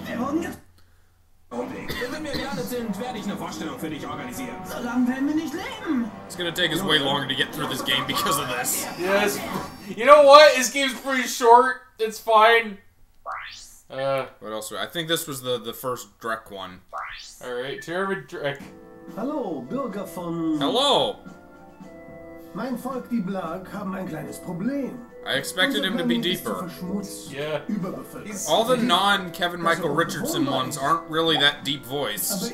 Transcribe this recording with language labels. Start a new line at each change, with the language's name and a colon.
German: Wenn wir gerade sind, werde ich eine Vorstellung für dich organisieren. So lange werden wir nicht leben!
English: It's gonna take us way longer to get through this game because of this. Yes. You know what? This game's pretty short. It's fine. What else? I think this was the first Drek one. Alright, Terrible Drek.
German: Hallo, Bürger von.
English: Hello!
German: Mein Volk, die Blag, haben ein kleines Problem.
English: I expected him to be deeper. Yeah. All the non Kevin Michael Richardson ones aren't really that deep voiced.